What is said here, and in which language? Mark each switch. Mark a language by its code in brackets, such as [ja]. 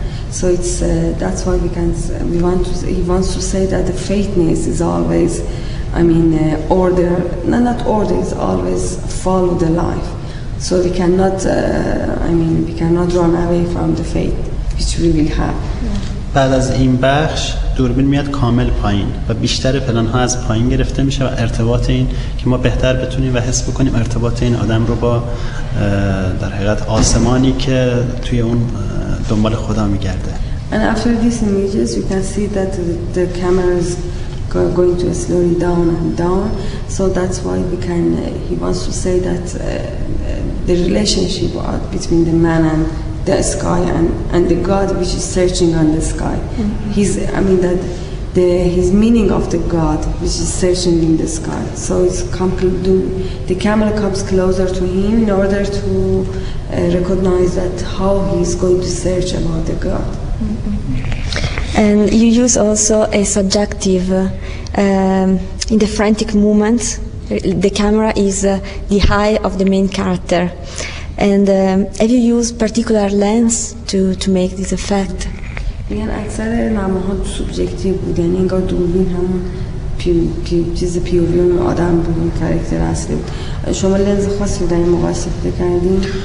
[en] So it's that's why he wants to say that the faithness is always, I mean, order, not order, is always follow the life. So we cannot, we cannot run away from the faith, which we will have. [fa] بعد از این بخش دوربین میاد کامل پایین و بیشتر پلان ها از پایین گرفته میشه و ارتباط این که ما بهتر بتونیم و حس بکنیم ارتباط این آدم رو با در حقیقت آسمانی که توی اون دنبال خدا میگرده. [en] And after these images you can see that the camera is going to slowly down and down, so that's why he wants to say that the relationship between the man and the sky and the God which is searching on the sky. Mm-hmm. His meaning of the God which is searching in the sky. So it's the camera comes closer to him in order to recognize that how he's going to search about the God. Mm-hmm. And you use also a subjective in the frantic movements. The camera is the eye of the main character. And have you used particular lens to make this effect? [fa] میگن اکثر نامه ها سوبژکتیو بود، یعنی انگار دوربین همون چیز پیوری اون آدم بود، اون کاراکتر اصلی بود. شما لنز خاصی در این موقع استفاده کردین؟